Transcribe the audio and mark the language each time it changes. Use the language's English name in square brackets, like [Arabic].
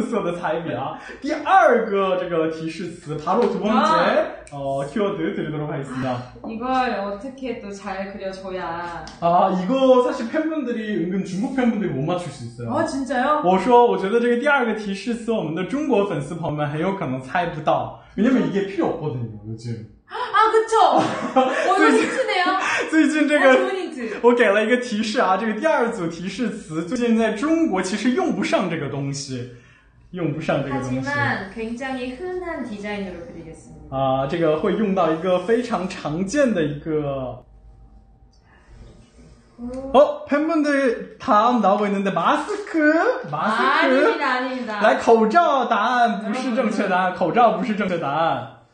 [Chinese] 没有找到紫色的手机，啊，他的24色 [Korean] 골펜으로 [Chinese] 下次有有和我们的工作人员说要准备好24色的彩笔啊。第二个这个提示词， [Korean] 바로 두 번째 키워드 드리도록 하겠습니다. 이걸 어떻게 또 잘 그려줘야? 아, 이거 사실 팬분들이 은근 중국 팬분들이 못 맞출 수 있어요. 아, 진짜요? [Chinese] 我觉得这个第二个提示词我们的中国粉丝朋友们很有可能猜不到，因为 [Korean] 이게 필요 없거든요, 요즘. 아, 그쵸! 어, 이거 힌트네요! [Chinese] 最近这个, 我给了一个提示啊,这个第二组提示词, 最近在中国其实用不上这个东西。 [Korean] 하지만 굉장히 흔한 디자인으로 그리겠습니다. [Chinese] 아, 这个会用到一个非常常见的一个, [Korean] 어, 팬분들 다음 나오고 있는데 마스크? 마스크? 아, 아닙니다, 아닙니다. [Chinese] 来, 口罩 答案, 不是正确答案, 口罩 不是正确答案.